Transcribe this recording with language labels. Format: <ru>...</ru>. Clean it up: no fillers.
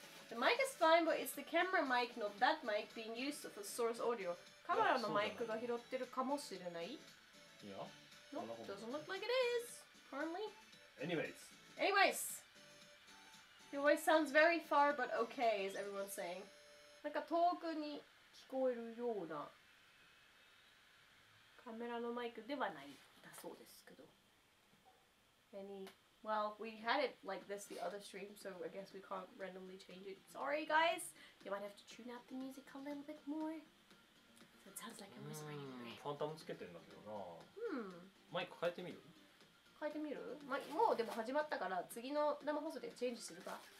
<en>The mic is fine, but it's the camera mic, not that mic, being used for source audio.</en> <ja>Camera no mic が拾ってるかもしれない?</ja> <en>Yeah. Nope, doesn't look like it is. currently. Anyways! Your voice sounds very far, but okay, is everyone saying.</en> <ja>なんか遠くに聞こえるような カメラのマイクではないだそうですけど.</ja> <en>Well, we had it like this the other stream, so I guess we can't randomly change it. Sorry, guys! You might have to tune out the music a little bit more. So it sounds like I'm whispering.</en> <ja>ファンタムつけてんだけどな。マイク変えてみる? 変えてみる? もうでも始まったから 次の生放送でチェンジするか?</ja>